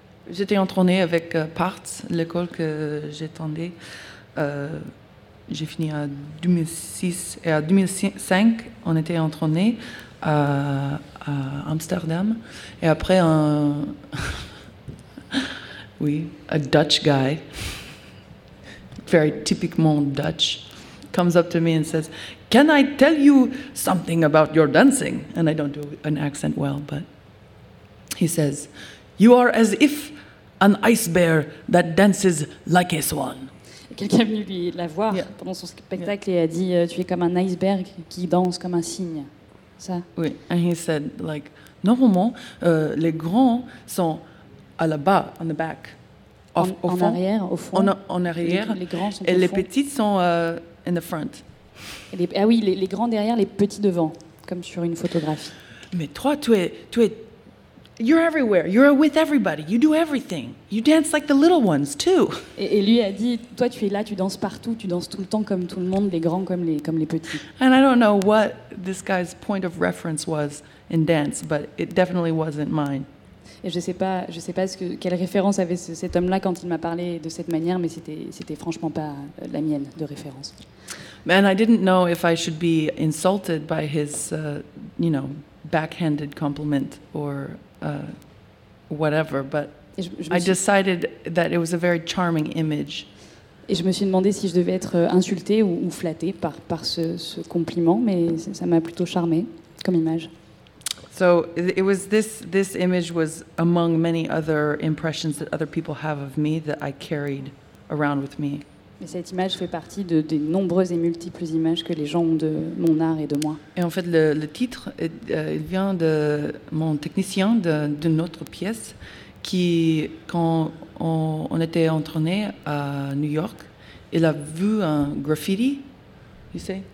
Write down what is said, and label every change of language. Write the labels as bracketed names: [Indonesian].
[French] J'étais en tournée avec Parts, l'école que j'attendais. J'ai fini en 2006 et en 2005, on était en tournée à Amsterdam. Et après, un [English] Dutch guy, very typically Dutch, comes up to me and says, "Can I tell you something about your dancing?" And I don't do an accent well, but he says, "You are as if an ice bear that dances like a swan." [French] Quelqu'un est venu lui la voir pendant son spectacle et a dit, tu es comme un iceberg qui danse comme un cygne. Ça. Oui, [English] and he said, like, [French] normalement, les grands sont à la bas, [English] on the back, [French] au fond. En arrière. Les grands sont et au fond. Les petits sont [English] in the front. [French] Les grands derrière, les petits devant, comme sur une photographie. Mais toi, tu es [English] you're everywhere. You're with everybody. You do everything. You dance like the little ones too. [French] Et lui a dit, toi tu es là, tu danses partout, tu danses tout le temps comme tout le monde, les grands comme les petits. [English] And I don't know what this guy's point of reference was in dance, but it definitely wasn't mine. [French] Et je sais pas quelle référence avait cet homme-là quand il m'a parlé de cette manière, mais c'était franchement pas la mienne de référence. [English] And I didn't know if I should be insulted by his, backhanded compliment or whatever, but I decided that it was a very charming image. [French] Et je me suis demandé si je devais être insultée ou flattée par ce compliment, mais ça m'a plutôt charmée comme image. [English] So it was this image was among many other impressions that other people have of me that I carried around with me. [French] Et cette image fait partie de nombreuses et multiples images que les gens ont de mon art et de moi. Et en fait, le titre, il vient de mon technicien de notre pièce, qui, quand on était en tournée à New York, il a vu un graffiti, [English] you say?